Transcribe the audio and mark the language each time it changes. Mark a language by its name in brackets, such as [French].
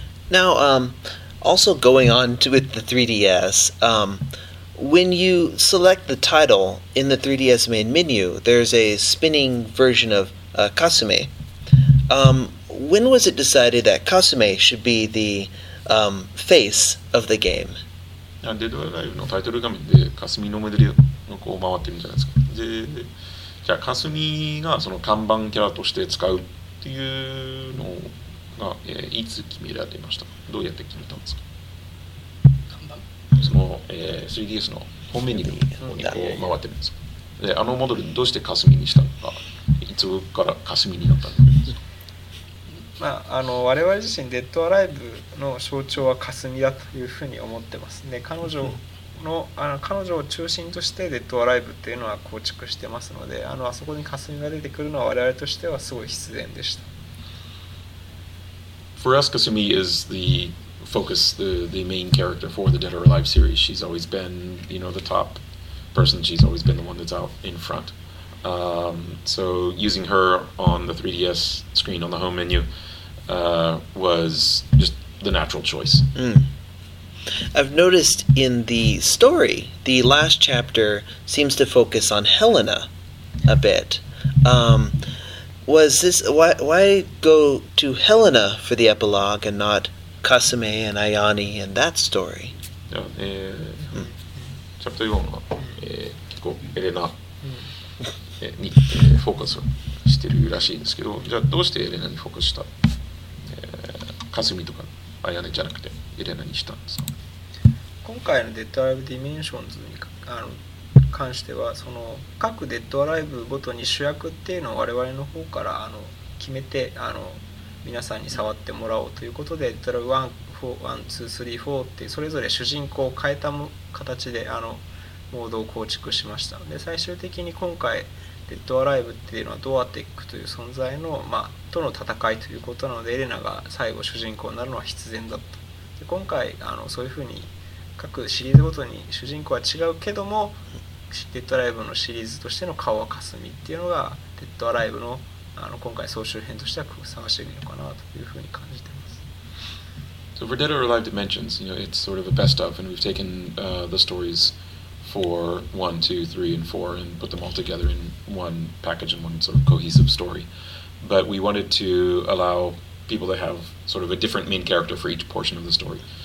[English] Now, also going on to, with the 3DS, when you select the title in the 3DS main menu, there's a spinning version of Kasume. When was it decided that Kasume should be the face of the game? [Japanese] デッドアライブのタイトル画面でカスミのモデルをこう回ってるんじゃないですか。で、じゃあカスミがその看板キャラとして使うっていうのが、いつ決められましたか？どうやって決めたんですか？看板その、3DS の本メニューにこう回ってるんですか？で、あのモデルどうしてカスミにしたのか、いつからカスミになったんですか？まあ、我々自身デッドアライブの象徴はカスミだというふうに思ってますね。彼女を、うんの彼女を中心としてデッドアライブっていうのは構築してますので、あそこにカスミが出てくるのは我々としてはすごい必然でした。 [English] For us, Kasumi is the focus, the main character for the Dead or Alive series. She's always been, you know, the top person. She's always been the one that's out in front. So using her on the 3DS screen on the home menu was just the natural choice. Mm. I've noticed in the story, the last chapter seems to focus on Helena a bit. Why go to Helena for the epilogue and not Kasume and Ayane and that story? [Japanese] Chapter 4 は結構エレナにフォーカスしてるらしいんですけど、じゃあどうしてエレナにフォーカスした、カスミとかアヤネじゃなくてエレナにしたんですか？今回のデッドアライブディメンションズに関しては、その各デッドアライブごとに主役っていうのを我々の方から決めて皆さんに触ってもらおうということで、デッドアライブ1、2、3、4ってそれぞれ主人公を変えた形でモードを構築しました。で、最終的に今回デッドアライブっていうのはドアテックという存在の、まあ、との戦いということなので、エレナが最後主人公になるのは必然だった。で、今回そういうふうに各シリーズごとに主人公は違うけども、デッドアライブのシリーズとしての顔はカスミっていうのが、デッドアライブの今回総集編としてはふさわしいのかなというふうに感じています。 [English] So for Dead or Alive Dimensions, you know, it's sort of a best of, and we've taken the stories for 1, 2, 3, and 4 and put them all together in one package and one sort of cohesive story. But we wanted to allow people to have sort of a different main character for each portion of the story.